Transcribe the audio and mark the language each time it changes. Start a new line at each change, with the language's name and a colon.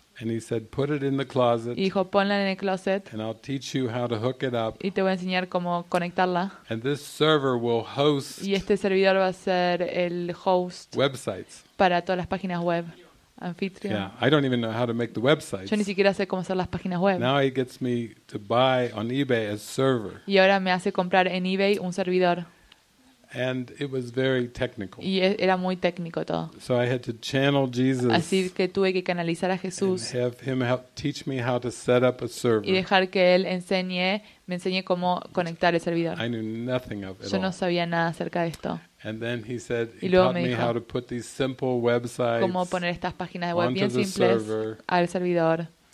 English: And he said, "Put it in the closet."
Spanish: Y dijo, ponla en el closet.
English: And I'll teach you how to hook it up.
Spanish: Y te voy a enseñar cómo conectarla.
English: And this server will host.
Spanish: Y este servidor va a ser el host.
English: Websites.
Spanish: Para todas las páginas web. Anfitrión.
English: Yeah, I don't even know how to make the websites.
Spanish: Yo ni siquiera sé cómo hacer las páginas web.
English: Now he gets me to buy on eBay a server.
Spanish: Y ahora me hace comprar en eBay un servidor.
English: And it was very technical.
Spanish: Y era muy técnico todo.
English: So I had to channel Jesus.
Spanish: Así que tuve que canalizar a Jesús.
English: And have him help teach me how to set up a server.
Spanish: Y dejar que él me enseñe cómo conectar el servidor.
English: I knew nothing of it.
Spanish: Yo no sabía nada acerca de esto.
English: And then he said, he taught me how to put these simple websites.
Spanish: Cómo poner estas páginas de web bien simples al servidor.